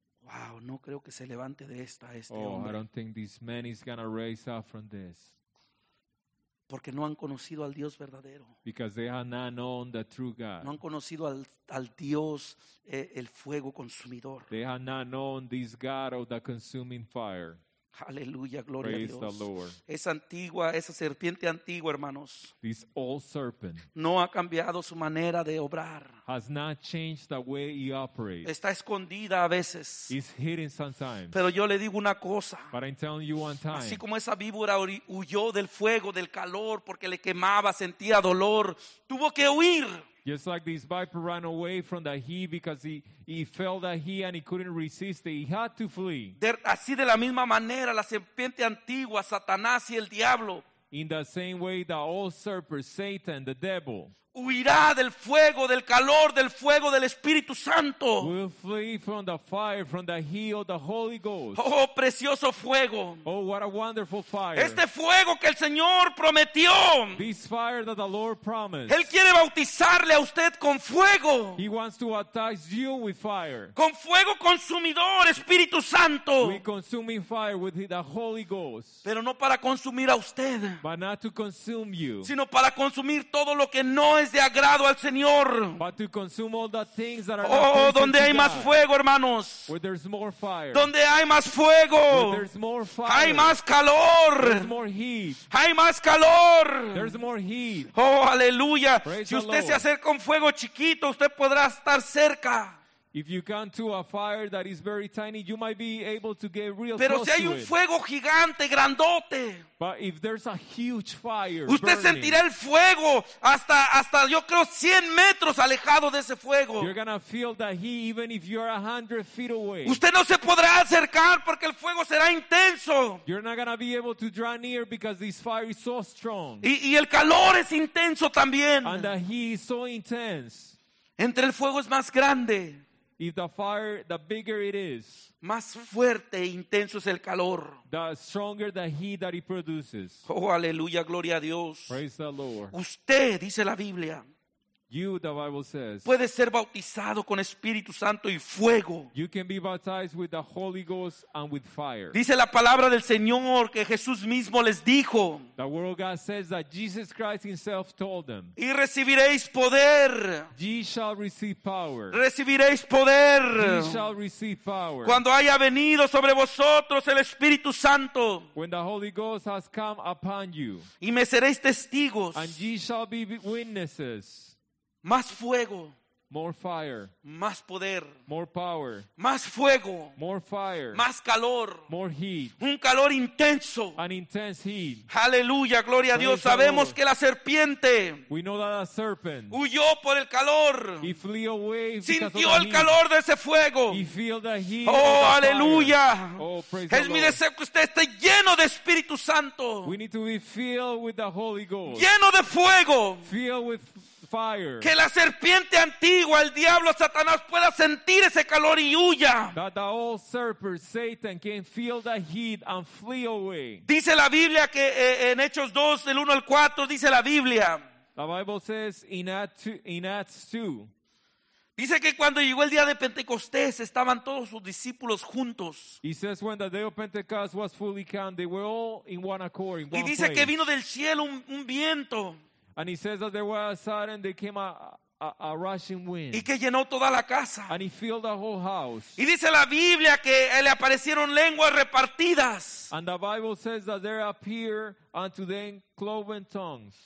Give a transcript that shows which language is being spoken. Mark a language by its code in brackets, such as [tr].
[es] Wow, no creo que se levante de esta este oh, hombre. [en] Oh, I don't think this man is going to raise up from this. [es] Porque no han conocido al Dios verdadero. [en] Because they have not known the true God. [es] No han conocido al Dios el fuego consumidor. [en] They have not known this God of the consuming fire. [es] Aleluya, gloria [en] praise [es] a Dios. [en] The Lord. [es] Esa serpiente antigua, hermanos. [en] This old serpent. [es] No ha cambiado su manera de obrar. [en] Has not changed the way he operates. [es] Está escondida a veces. [en] He's hidden sometimes. [es] Pero yo le digo una cosa. [en] But I'm telling you one time. [es] Así como esa víbora huyó del fuego, del calor, porque le quemaba, sentía dolor, tuvo que huir. [en] Just like this viper ran away from the heat because he felt that heat and he couldn't resist it. He had to flee. [es] Así de la misma manera, la serpiente antigua, Satanás y el diablo. [en] In the same way, the old serpent, Satan, the devil. [es] Huirá del fuego, del calor, del fuego del Espíritu Santo. [en] Will flee from the fire, from the heat of the Holy Ghost. [es] Oh, precioso fuego. [en] Oh, what a wonderful fire. [es] Este fuego que el Señor prometió. [en] This fire that the Lord promised. [es] Él quiere bautizarle a usted con fuego. [en] He wants to baptize you with fire. [es] Con fuego consumidor, Espíritu Santo. [en] We consume fire with the Holy Ghost. [es] Pero no para consumir a usted. [en] But not to consume you. [es] Sino para consumir todo lo que no es de agrado al Señor. [en] But to consume all the things that are oh, not pleasing [es] donde hay [en] to [es] más [en] God. [es] Fuego, hermanos. [en] Where there's more fire. [es] Donde hay más fuego. [en] Where there's more fire. [es] Hay más calor. [en] There's more heat. [es] Hay más calor. [en] There's more heat. [es] Oh, aleluya. [en] Praise [es] si usted [en] the Lord. [es] Se acerca a un fuego chiquito, usted podrá estar cerca. [en] If you come to a fire that is very tiny, you might be able to get real [es] pero [en] close [es] si hay [en] to [es] un [en] it. [es] Fuego gigante, grandote. [en] But if there's a huge fire [es] usted [en] burning, [es] sentirá el fuego hasta yo creo 100 metros alejado de ese fuego. [en] You're going to feel the heat even if you're 100 feet away. [es] Usted no se podrá acercar porque el fuego será intenso. [en] You're not going to be able to draw near because this fire is so strong. [es] Y el calor es intenso también. [en] And the heat is so intense. [es] Entre el fuego es más grande. [en] If the fire, the bigger it is, [es] más fuerte e intenso es el calor. [en] The stronger the heat that it produces. [es] Oh, aleluya, gloria a Dios. [en] Praise the Lord. [es] Usted, dice la Biblia, [en] you, the Bible says, [es] puede ser bautizado con Espíritu Santo y fuego. [en] You can be baptized with the Holy Ghost and with fire. [es] Dice la palabra del Señor que Jesús mismo les dijo. [en] The Word of God says that Jesus Christ himself told them. [es] Y recibiréis poder. [en] Ye shall receive power. [es] Recibiréis poder. [en] Ye shall receive power. [es] Cuando haya venido sobre vosotros el Espíritu Santo. [en] When the Holy Ghost has come upon you. [es] Y me seréis testigos. [en] And ye shall be witnesses. [es] Más fuego. [en] More fire. [es] Más poder. [en] More power. [es] Más fuego. [en] More fire. [es] Más calor. [en] More heat. [es] Un calor intenso. [en] An intense heat. [es] Aleluya, gloria a Dios. Sabemos que la serpiente, [en] we know that a serpent, [es] huyó por el calor. [en] He flew away. [es] Sintió el calor de ese fuego. [en] He feel the heat. [es] Oh, aleluya. [en] Oh, praise the Lord. [es] Mi deseo que usted esté lleno de Espíritu Santo. [en] We need to be filled with the Holy Ghost. [es] Lleno de fuego. [en] Filled with fire. [es] Que la serpiente antigua, el diablo, Satanás pueda sentir ese calor y huya. [en] That the old serpent, Satan, can feel the heat and flee away. [es] Dice la Biblia que en Hechos 2, del 1 al 4, dice la Biblia. [en] The Bible says in Acts 2. [es] Dice que cuando llegó el día de Pentecostés, estaban todos sus discípulos juntos. [en] He says when the day of Pentecost was fully come, they were all in one accord, in one place. [es] Y dice que vino del cielo un viento. [en] And he says that there was a sudden, there came a rushing wind. [es] Y que llenó toda la casa. [en] And he filled the whole house. [es] Y dice la Biblia que le aparecieron lenguas repartidas. [en] And the Bible says that there appeared unto them cloven tongues.